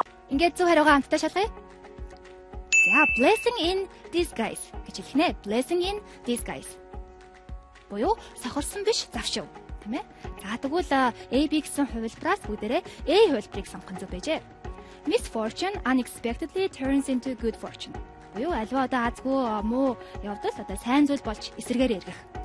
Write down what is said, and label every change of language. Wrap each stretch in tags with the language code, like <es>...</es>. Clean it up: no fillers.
<mn>Ингээд зөв хариугаа хамтдаа шалгая. За,</mn> <en>blessing in disguise</en> <mn>гэж хэлэх нэ.</mn> <en>Blessing in disguise.</en> <mn>Боёо, сохорсон биш завшив, тийм ээ? За, тэгвэл AB гэсэн хувилбараас бүгдээрээ A хувилбарыг сонгох нь зөв байжээ.</mn> <en>Misfortune unexpectedly turns into good fortune.</en> <mn>Буюу аливаа одоо азгүй муу явдал одоо сайн зүйл болж эсэргээр эргэх.</mn>